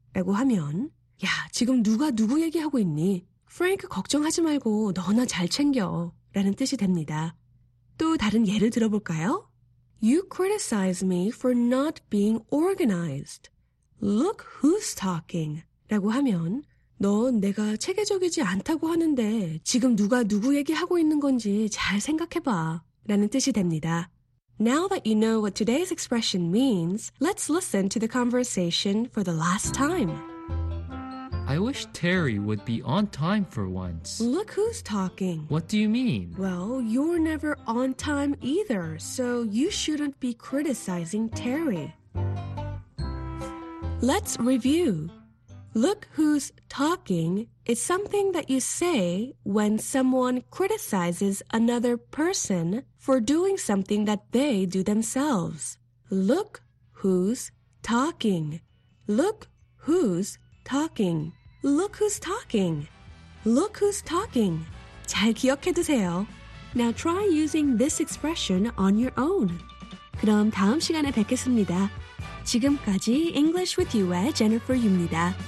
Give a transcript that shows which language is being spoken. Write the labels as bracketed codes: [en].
[ko] 라고 하면, 야, 지금 누가 누구 얘기하고 있니? Frank 걱정하지 말고 너나 잘 챙겨. 라는 뜻이 됩니다. 또 다른 예를 들어볼까요? [en] You criticize me for not being organized. Look who's talking. [ko] 라고 하면, 넌 내가 체계적이지 않다고 하는데 지금 누가 누구 얘기하고 있는 건지 잘 생각해봐. 라는 뜻이 됩니다. [en] Now that you know what today's expression means, let's listen to the conversation for the last time. I wish Terry would be on time for once. Look who's talking. What do you mean? Well, you're never on time either, so you shouldn't be criticizing Terry. Let's review. Look who's talking is something that you say when someone criticizes another person for doing something that they do themselves. Look who's talking. Look who's talking. Look who's talking. Look who's talking. [ko] 잘 기억해 두세요. [en] Now try using this expression on your own. [ko] 그럼 다음 시간에 뵙겠습니다. 지금까지 English with You의 Jennifer 유입니다.